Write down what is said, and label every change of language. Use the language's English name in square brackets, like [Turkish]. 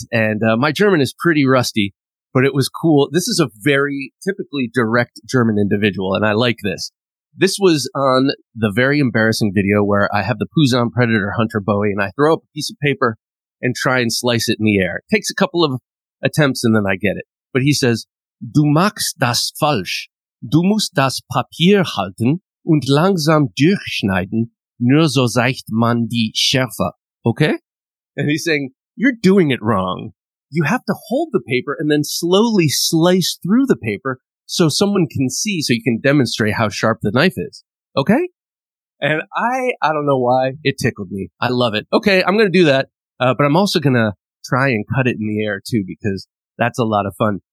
[English] And my German is pretty rusty, but it was cool. This is a very typically direct German individual, and I like this. This was on the very embarrassing video where I have the Poussin Predator Hunter Bowie, and I throw up a piece of paper and try and slice it in the air. It takes a couple of attempts, and then I get it. But he says, [German] "Du machst das falsch. Du musst das Papier halten und langsam durchschneiden, nur so seicht man die Schärfe." [English] Okay? And he's saying, you're doing it wrong. You have to hold the paper and then slowly slice through the paper so someone can see, so you can demonstrate how sharp the knife is. Okay? And I don't know why, it tickled me. I love it. Okay, I'm going to do that. But I'm also going to try and cut it in the air too, because that's a lot of fun.